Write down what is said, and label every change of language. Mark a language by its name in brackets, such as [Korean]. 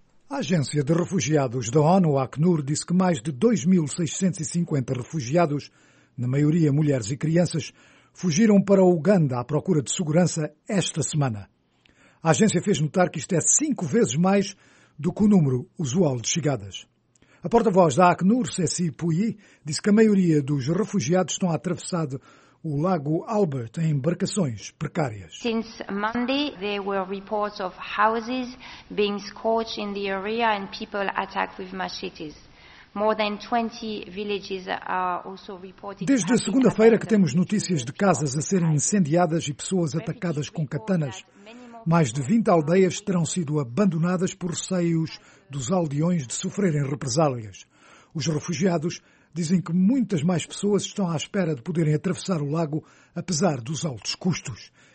[Portuguese] A Agência de Refugiados da ONU, ACNUR, disse que mais de 2.650 refugiados, na maioria mulheres e crianças, fugiram para a Uganda à procura de segurança esta semana. A agência fez notar que isto é 5 vezes mais do que o número usual de chegadas. A porta-voz da ACNUR, Ceci Puyi, disse que a maioria dos refugiados estão a atravessar o lago Albert em embarcações precárias. [English] Since Monday, there were reports of houses being scorched in the area and people attacked with machetes. [Portuguese] Desde a segunda-feira que temos notícias de casas a serem incendiadas e pessoas atacadas com katanas. Mais de 20 aldeias terão sido abandonadas por receios dos aldeões de sofrerem represálias. Os refugiados dizem que muitas mais pessoas estão à espera de poderem atravessar o lago, apesar dos altos custos.